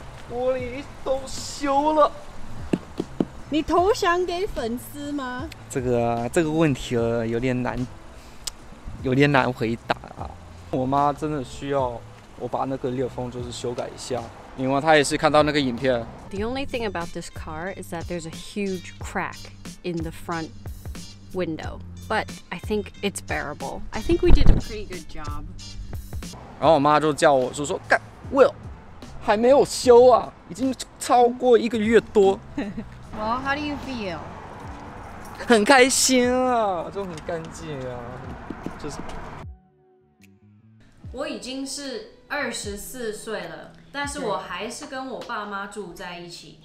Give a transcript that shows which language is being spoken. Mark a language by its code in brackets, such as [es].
[zh] 玻璃都修了，你投降给粉丝吗？这个问题有点难回答啊。我妈真的需要我把那个裂缝就是修改一下，因为她也是看到那个影片。 [en] The only thing about this car is that there's a huge crack in the front window. But I think it's bearable. I think we did a pretty good job. [zh] 然后我妈就叫我就说干 Will 还没有修啊，已经超过一个月多。 [en] Well, how do you feel? [zh] 很开心啊，就很干净啊，就是。我已经是24岁了，但是我还是跟我爸妈住在一起。